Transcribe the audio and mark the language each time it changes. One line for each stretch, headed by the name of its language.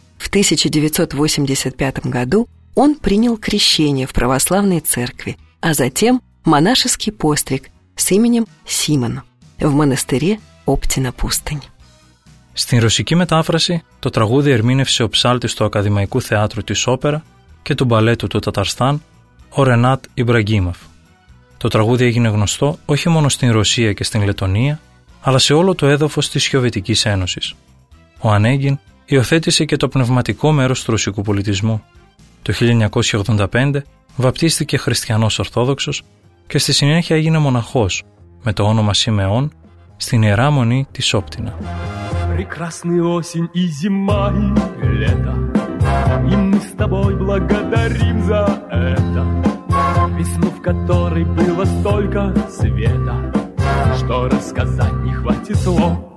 Russian: В 1985 году он принял крещение в православной церкви, а затем монашеский постриг с именем Симон в монастыре Όπτινα Πούστινι.
Greek: Στην ρωσική μετάφραση, το τραγούδι ερμήνευσε ο ψάλτης του Ακαδημαϊκού Θεάτρου της Όπερα και του Μπαλέτου του Ταταρστάν, ο Ρενάτ Ιμπραγκίμαφ. Το τραγούδι έγινε γνωστό όχι μόνο στην Ρωσία και στην Λετωνία, αλλά σε όλο το έδαφος της Σοβιετικής Ένωσης. Ο Ανέγκιν υιοθέτησε και το πνευματικό μέρος του ρωσικού πολιτισμού. Το 1985 βαπτίστηκε χριστιανός Ορθόδοξος και στη συνέχεια έγινε μοναχός με το όνομα Σιμεών στην Ιερά Μονή της Όπτινα.
Russian: Прекрасный осень и зима, и лето, и мы с тобой благодарим за это. Весну, в которой было столько света, что рассказать не хватит слов.